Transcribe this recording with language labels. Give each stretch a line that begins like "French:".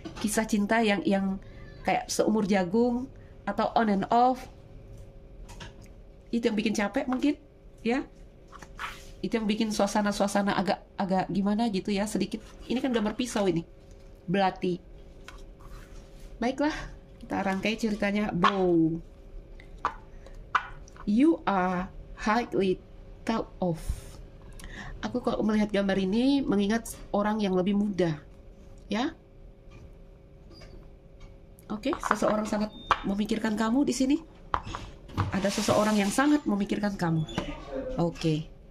Indonesian: Kisah cinta yang kayak seumur jagung atau
English: on and off.
Indonesian: Itu yang bikin capek mungkin, ya. Itu yang bikin suasana-suasana agak gimana gitu ya, sedikit. Ini kan gambar pisau ini. Belati. Baiklah, kita rangkai ceritanya.
English: Bow. You are highly thought of.
Indonesian: Aku kalau melihat gambar ini mengingat orang yang lebih muda, ya. Oke, seseorang sangat memikirkan kamu di sini. Ada seseorang yang sangat memikirkan kamu. Oke.